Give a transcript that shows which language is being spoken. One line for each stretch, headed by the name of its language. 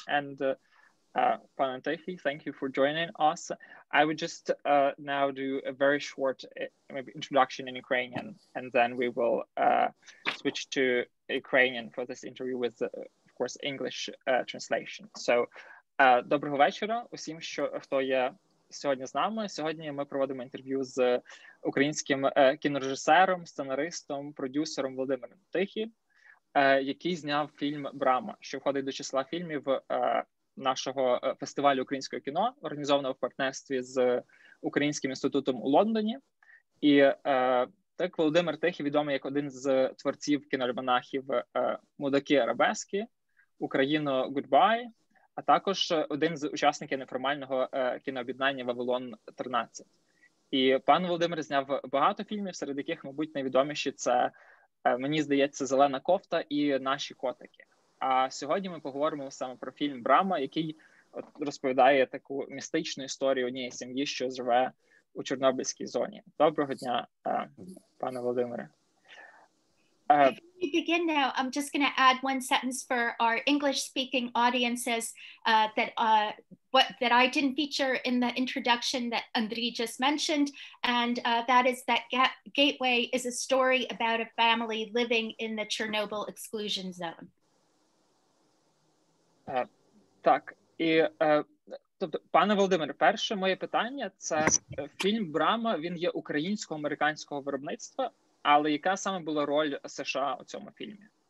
English: And thank you for joining us. I would just now do a very short maybe introduction in Ukrainian, and then we will switch to Ukrainian for this interview with, of course, English translation.
Ukrainian: So, доброго вечора усім, що хто є сьогодні з нами. Сьогодні ми проводимо інтерв'ю з українським кінорежисером, сценаристом, продюсером Володимиром Тихим, який зняв фільм «Брама», що входить до числа фільмів нашого фестивалю українського кіно, організованого в партнерстві з Українським інститутом у Лондоні. І так Володимир Тихий відомий як один з творців кіноальманахів «Мудаки.Арабесky», «Україно. Goodbye», а також один з учасників неформального кінооб'єднання «Вавилон-13». І пан Володимир зняв багато фільмів, серед яких, мабуть, найвідоміші – це, мені здається, «Зелена кофта» і «Наші котики». А сьогодні ми поговоримо саме про фільм «Брама», який розповідає таку містичну історію однієї сім'ї, що живе у Чорнобильській зоні. Доброго дня, пане Володимире.
English: Before we begin now, I'm just going to add one sentence for our English-speaking audiences that I didn't feature in the introduction that Andriy just mentioned, and that is that Gateway is a story about a family living in the Chernobyl exclusion zone.
Ukrainian: Так, і тобто, пане Володимире, перше моє питання – це фільм «Брама», він є українсько-американського виробництва, але яка саме була роль США у цьому фільмі?